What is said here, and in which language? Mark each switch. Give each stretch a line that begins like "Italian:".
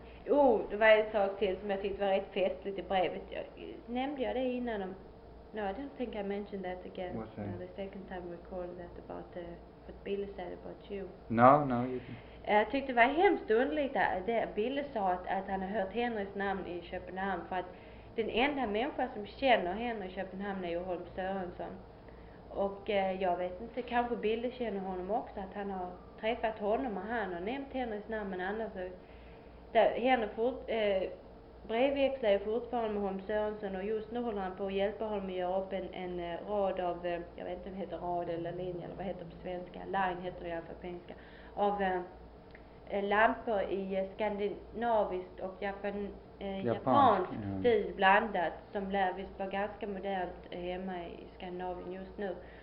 Swedish: Oh, det var en sak till som jag tyckte var rätt festligt i brevet. Nämnde jag det innan?
English: No, I don't think I mentioned that again. What's that? The second time we called that about what Billy said about you. No, you didn't.
Swedish: Jag tyckte det var hemskt underligt att Billy sa att han har hört Henrys namn i Köpenhamn. För att den enda människa som känner Henry i Köpenhamn är ju Holm Sörensson. Och jag vet inte, kanske Billy känner honom också, att han har träffat honom och han har nämnt Henrys namn, men annars så där, Henry brevväxlar ju fortfarande med Holm Sörensen, och just nu håller han på att hjälpa honom att göra upp en rad av, jag vet inte om det heter rad eller linje eller vad heter på svenska, line heter det i alla fall på engelska, av lampor i skandinaviskt och japansk stil blandat, som lär visst vara ganska modernt hemma i Skandinavien just nu.